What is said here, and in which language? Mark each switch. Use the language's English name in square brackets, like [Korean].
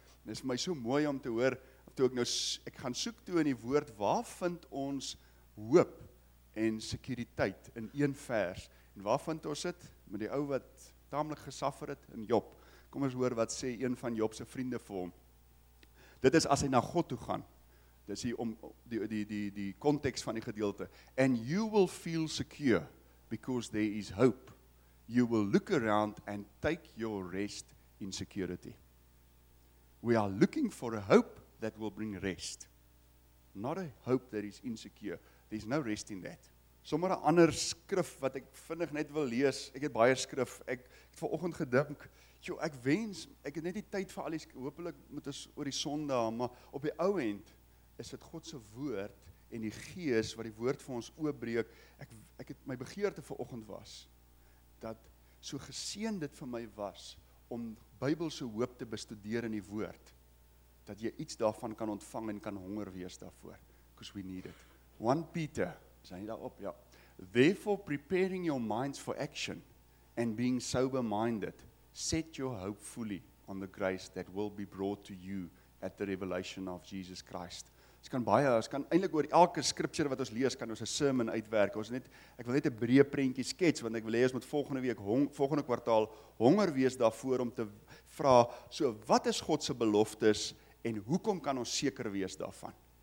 [Afrikaans] Dit is my so mooi om te hoor, toe ek nou ek gaan soek toe in die woord, waar vind ons hoop en sekuriteit in een vers? En waar vind ons dit? Met die ou wat taamlik gesuffer het in Job. Kom ons hoor wat sê een van Job se vriende vir hom. Dit is as hy na God toe gaan. Dis hier om die konteks van die gedeelte. [English] And you will feel secure because there is hope. You will look around and take your rest in security. We are looking for a hope that will bring rest. Not a hope that is insecure. There's no rest in that. [Afrikaans] Sommige ander skrif wat ek vinnig net wil lees. Ek het baie skrif. Ek het vanoggend gedink, ek wens, ek het net die tyd vir al die skrif. Hopelik moet ons oor die Sondag, maar op die ou end is dit God se woord en die Gees wat die woord vir ons oopbreek. Ek het my begeerte vanoggend was dat so geseën dit vir my was om Bybelse hoop te bestudeer in die woord, dat jy iets daarvan kan ontvang en kan honger wees daarvoor, [English] because we need it. [Afrikaans] 1 Peter, sê jy daarop, ja. [English] Therefore, preparing your minds for action and being sober-minded, set your hope fully on the grace that will be brought to you at the revelation of Jesus Christ. [Afrikaans] Ons kan baie, ons kan eintlik oor elke scripture wat ons lees, kan ons 'n sermon uitwerk. Ons net, ek wil net 'n breë prentjie skets, want ek wil hê ons moet volgende week, volgende kwartaal, honger wees daarvoor om te vra, so wat is God se beloftes en hoekom kan ons seker wees daarvan?